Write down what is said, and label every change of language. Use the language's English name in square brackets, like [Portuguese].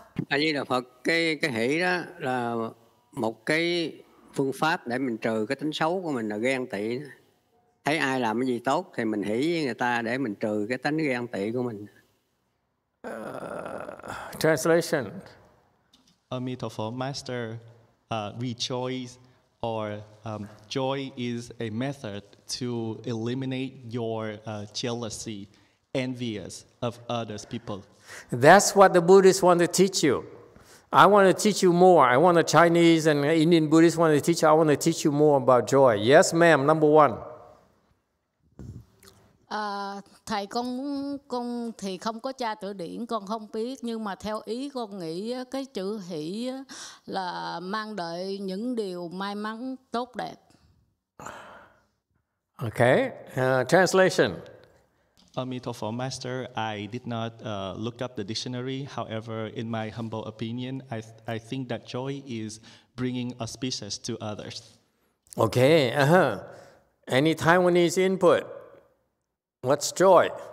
[Vietnamese] A Di Đà Phật, cái hỷ đó là một cái phương pháp để mình trừ cái tính xấu của mình là ghen tị. Thấy ai làm cái gì tốt thì mình hỷ với người ta để mình trừ cái tính ghen tị của mình. [English] Translation. Amitofo, Master, rejoice or joy is a method to eliminate your jealousy, envious of others, people. That's what the Buddhists want to teach you. I want to teach you more. I want the Chinese and Indian Buddhists want to teach you. I want to teach you more about joy. Yes, ma'am, number one. [Vietnamese] Thầy con thì không có tra từ điển, con không biết, nhưng mà theo ý con nghĩ cái chữ hỷ là mang đợi những điều may mắn tốt đẹp. [English] Okay, translation. Amitofo, Master, I did not look up the dictionary. However, in my humble opinion, I think that joy is bringing auspices to others. Okay, uh-huh. Any Taiwanese input? What's joy?